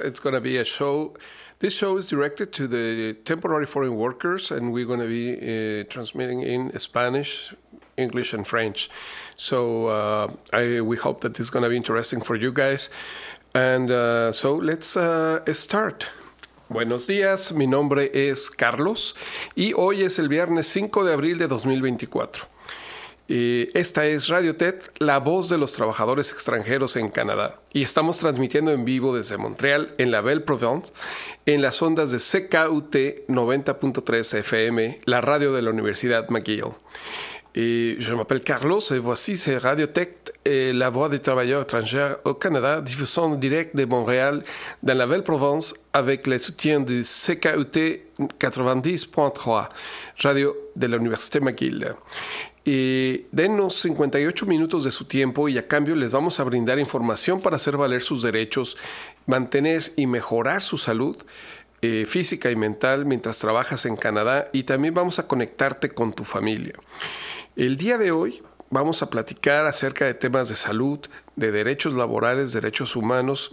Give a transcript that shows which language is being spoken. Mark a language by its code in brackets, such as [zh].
[en] It's going to be a show. This show is directed to the temporary foreign workers, and we're going to be transmitting in Spanish, English, and French. So we hope that it's going to be interesting for you guys. And so let's start. [es] Buenos días. Mi nombre es Carlos, y hoy es el viernes 5 de abril de 2024. Esta es Radio TED, la voz de los trabajadores extranjeros en Canadá, y estamos transmitiendo en vivo desde Montreal, en la Belle Province, en las ondas de CKUT 90.3 FM, la radio de la Universidad McGill. [fr] Je m'appelle Carlos et voici c'est Radio TED, la voix des travailleurs étrangers au Canada, diffusant direct de Montréal dans la Belle Province avec le soutien de CKUT 90.3, radio de la Université McGill. [es] Y denos 58 minutos de su tiempo y a cambio les vamos a brindar información para hacer valer sus derechos, mantener y mejorar su salud física y mental mientras trabajas en Canadá, y también vamos a conectarte con tu familia. El día de hoy vamos a platicar acerca de temas de salud, de derechos laborales, derechos humanos.